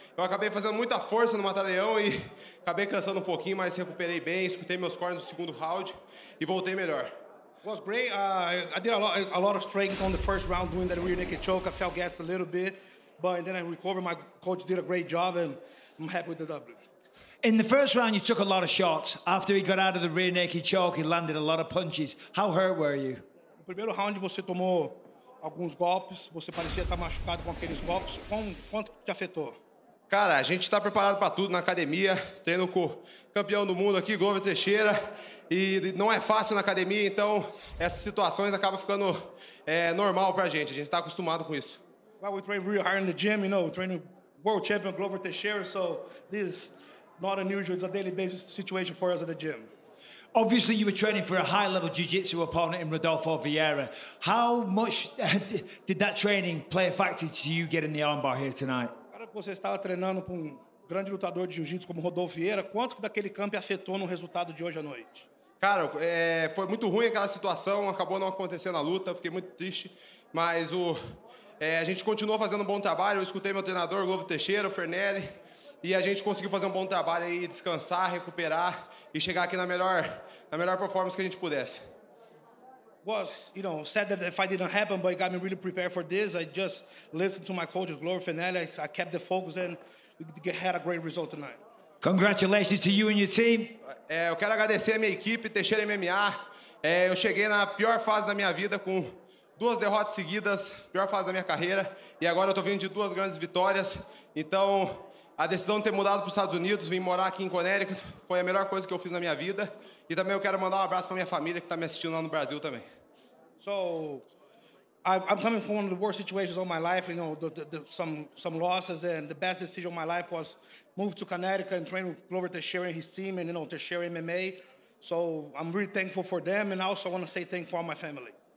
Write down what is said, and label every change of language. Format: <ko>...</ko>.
<pt>Eu acabei fazendo muita força no mataleão e acabei cansando um pouquinho, mas recuperei bem, escutei meus cornos no segundo round e voltei melhor.</pt> <en>Was great. I did a lot of strength on the first round doing that rear naked choke. I felt gassed a little bit, but then I recovered. My coach did a great job and I'm happy with the W. In the first round, you took a lot of shots. After he got out of the rear naked choke, he landed a lot of punches. How hurt were you?</en> <pt>No primeiro round, você tomou alguns golpes. Você parecia estar machucado com aqueles golpes. Quanto te afetou? Cara, a gente está preparado para tudo na academia. Treino com o campeão do mundo aqui, Glover Teixeira. E não é fácil na academia, então essas situações acabam ficando normal para a gente está acostumado com isso.</pt> <en>Well, we train real hard in the gym, you know, training world champion Glover Teixeira, so this not unusual, it's a daily basis situation for us at the gym. Obviously, you were training for a high-level jiu-jitsu opponent in Rodolfo Vieira. How much did that training play a factor to you getting the armbar here tonight?</en> <pt>Cara, você estava treinando para grande lutador de jiu-jitsu como Rodolfo Vieira, quanto que daquele campo afetou no resultado de hoje à noite? Cara, foi muito ruim aquela situação, acabou não acontecendo a luta, fiquei muito triste, mas a gente continuou fazendo um bom trabalho, eu escutei meu treinador, Glover Teixeira, o Fernelli, e a gente conseguiu fazer um bom trabalho aí, descansar, recuperar e chegar aqui na melhor performance que a gente pudesse.</pt> <en>Was, you know, sad that the fight didn't happen, but it got me really prepared for this. I just listened to my coaches, Glover Fernelli, I kept the focus and we had a great result tonight. Congratulations to you and your team.</en> <pt>Eu quero agradecer a minha equipe, Teixeira MMA. Eu cheguei na pior fase da minha vida com duas derrotas seguidas, pior fase da minha carreira, e agora eu tô vindo de duas grandes vitórias. Então, a decisão de ter mudado para os Estados Unidos, vim morar aqui em Connecticut, foi a melhor coisa que eu fiz na minha vida. E também eu quero mandar um abraço para minha família que está me assistindo lá no Brasil também.</pt> <en>So, I'm coming from one of the worst situations of my life, you know, some losses, and the best decision of my life was move to Connecticut and train with Glover Teixeira and his team, and, you know, Teixeira MMA. So I'm really thankful for them, and I also want to say thank for all my family.</en>